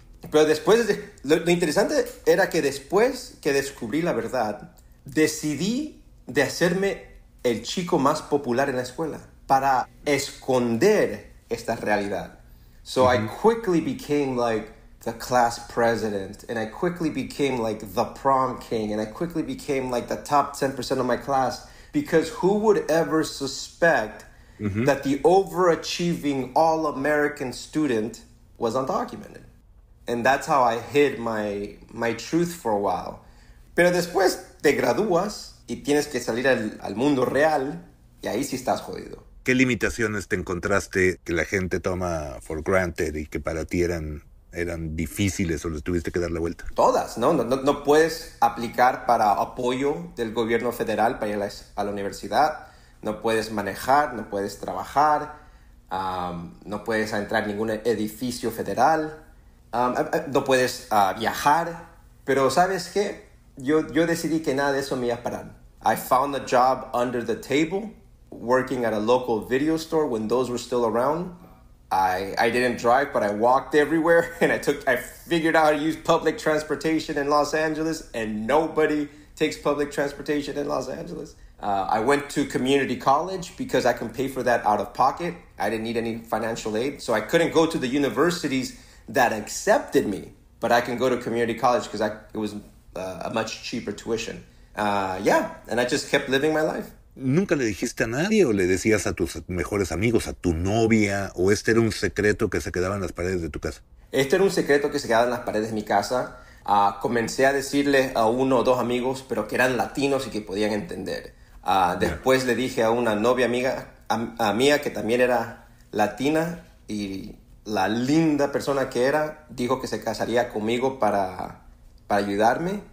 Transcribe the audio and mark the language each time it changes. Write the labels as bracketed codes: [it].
[es] pero después, lo interesante era que después que descubrí la verdad, decidí de hacerme el chico más popular en la escuela para esconder esta realidad. [en] So I quickly became like the class president, and I quickly became like the prom king, and I quickly became like the top 10% of my class, because who would ever suspect that the overachieving all-American student was undocumented? And that's how I hid my truth for a while. [es] Pero después te gradúas y tienes que salir al mundo real, y ahí sí estás jodido. ¿Qué limitaciones te encontraste que la gente toma [en] for granted [es] y que para ti eran eran difíciles o les tuviste que dar la vuelta? Todas, ¿no? No puedes aplicar para apoyo del gobierno federal para ir a la universidad. No puedes manejar, no puedes trabajar, no puedes entrar en ningún edificio federal, no puedes viajar. Pero ¿sabes qué? Yo decidí que nada de eso me iba a parar. [en] I found a job under the table, working at a local video store when those were still around. I didn't drive, but I walked everywhere, and I figured out how to use public transportation in Los Angeles, and nobody takes public transportation in Los Angeles. I went to community college because I can pay for that out of pocket. I didn't need any financial aid, so I couldn't go to the universities that accepted me, but I can go to community college because it was a much cheaper tuition. Yeah, and I just kept living my life. [es] ¿Nunca le dijiste a nadie o le decías a tus mejores amigos, a tu novia, o este era un secreto que se quedaba en las paredes de tu casa? Este era un secreto que se quedaba en las paredes de mi casa. Comencé a decirle a uno o dos amigos, pero que eran latinos y que podían entender. Después le dije a una novia amiga a mía que también era latina, y la linda persona que era dijo que se casaría conmigo para ayudarme.